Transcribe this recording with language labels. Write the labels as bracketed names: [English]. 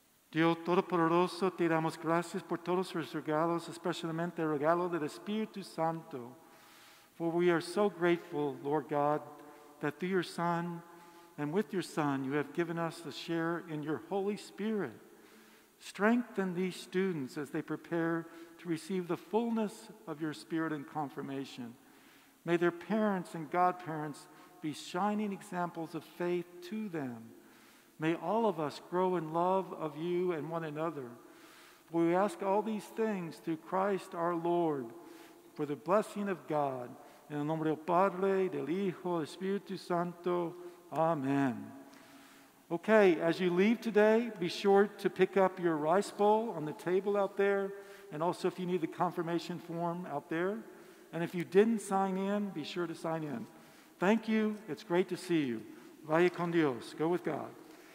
[Spanish] Dios Todopoderoso, te damos gracias por todos los regalos, especialmente el regalo del Espíritu Santo. [English] For we are so grateful, Lord God, that through your Son and with your Son, you have given us a share in your Holy Spirit. Strengthen these students as they prepare to receive the fullness of your Spirit in confirmation. May their parents and godparents be shining examples of faith to them. May all of us grow in love of you and one another. For we ask all these things through Christ our Lord, for the blessing of God. [Spanish] En el nombre del Padre, del Hijo, del Espíritu Santo. Amen. [English] Okay, as you leave today, be sure to pick up your rice bowl on the table out there, and also if you need the confirmation form out there. And if you didn't sign in, be sure to sign in. Thank you. It's great to see you. [Spanish] Vaya con Dios. [English] Go with God.